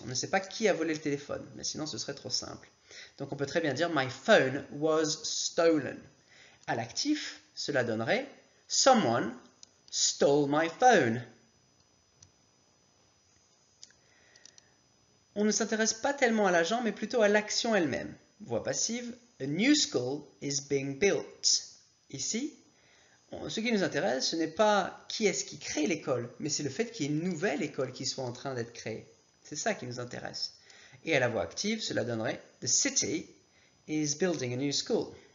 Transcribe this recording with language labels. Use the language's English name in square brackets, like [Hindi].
[French] On ne sait pas qui a volé le téléphone. Mais sinon, ce serait trop simple. Donc, on peut très bien dire « [English] My phone was stolen ». [French] À l'actif, cela donnerait « [English] Someone stole my phone ». [French] On ne s'intéresse pas tellement à l'agent, mais plutôt à l'action elle-même. Voix passive, [English] a new school is being built. [French] Ici, ce qui nous intéresse, ce n'est pas qui est-ce qui crée l'école, mais c'est le fait qu'il y ait une nouvelle école qui soit en train d'être créée. C'est ça qui nous intéresse. Et à la voix active, cela donnerait [English] the city is building a new school.